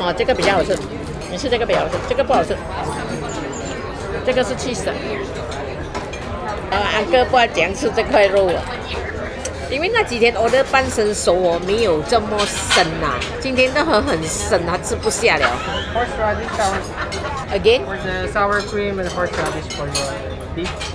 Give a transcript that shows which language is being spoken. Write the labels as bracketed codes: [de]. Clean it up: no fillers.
[en] Oh, this one is better. You eat this one better. This one is not good. This one is cheese. Uncle doesn't know how to eat this meat. [zh] 因为那几天 order 半生熟哦，没有这么生呐、啊。今天的很生，他吃不下了。 [en] Horseradish again? For the sour cream and horseradish for your beef.